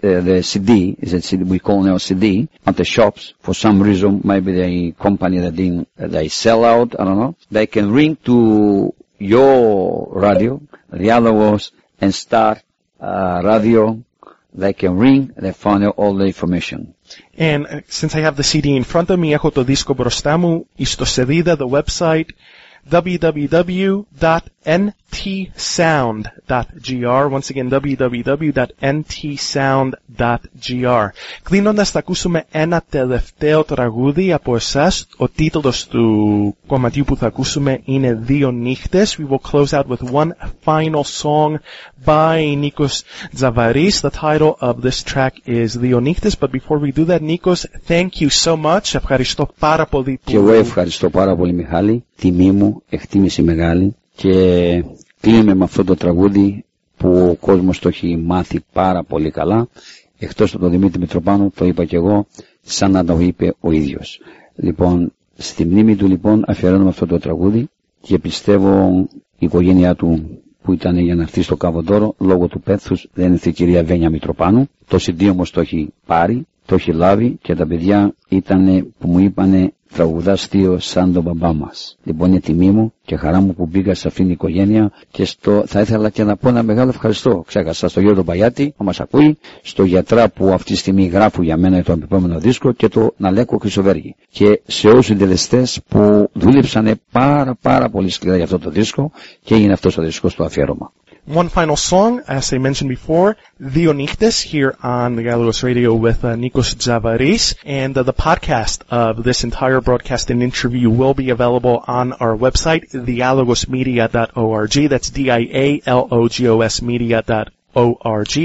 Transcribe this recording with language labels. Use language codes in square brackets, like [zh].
[en] We call now CD, at the shops. For some reason, maybe the company that they sell out, I don't know. They can ring to your radio, the other ones, and start radio. They can ring, they find out all the information. And since I have the CD in front of me, [el] έχω το δίσκο μπροστά μου, στο σελίδα, [en] the website, www.ntsound.gr. Once again, www.ntsound.gr. [el] Κλείνοντας, θα ακούσουμε ένα τελευταίο τραγούδι από εσάς. Ο τίτλος του κομματιού που θα ακούσουμε είναι «Δύο νύχτες». [en] We will close out with one final song by Nikos Tsavaris. The title of this track is «Δύο νύχτες». But before we do that, Nikos, thank you so much. [el] Ευχαριστώ πάρα πολύ. Και εγώ ευχαριστώ πάρα πολύ, Μιχάλη. Τιμή μου, εκτίμηση μεγάλη. Και κλείνουμε με αυτό το τραγούδι που ο κόσμος το έχει μάθει πάρα πολύ καλά. Εκτός από τον Δημήτρη Μητροπάνο, το είπα και εγώ, σαν να το είπε ο ίδιος. Λοιπόν, στη μνήμη του λοιπόν αφιερώνουμε αυτό το τραγούδι και πιστεύω η οικογένειά του που ήταν για να έρθει στο Καβοντόρο λόγω του πέθους δεν ήρθε η κυρία Βένια Μητροπάνου. Το CD όμως το έχει πάρει, το έχει λάβει και τα παιδιά ήταν που μου είπανε τραγουδάς θείο σαν τον μπαμπά μας. Λοιπόν, είναι τιμή μου και χαρά μου που μπήκα σε αυτήν την οικογένεια και στο, θα ήθελα και να πω ένα μεγάλο ευχαριστώ. Ξέχασα στον Γιώργο Παγιάτη που μας ακούει, στο γιατρά που αυτή τη στιγμή γράφουν για μένα το επόμενο δίσκο και το Ναλέκο Χρυσοβέργη. Και σε όλους τους συντελεστές που δούλεψαν πάρα πολύ σκληρά για αυτό το δίσκο και έγινε αυτός ο δίσκος το αφιέρωμα. [en] One final song, as I mentioned before, Dio Nichtes, here on the Galagos Radio with Nikos Tsavaris. And the podcast of this entire broadcast and interview will be available on our website, dialogosmedia.org. That's dialogosmedia.org.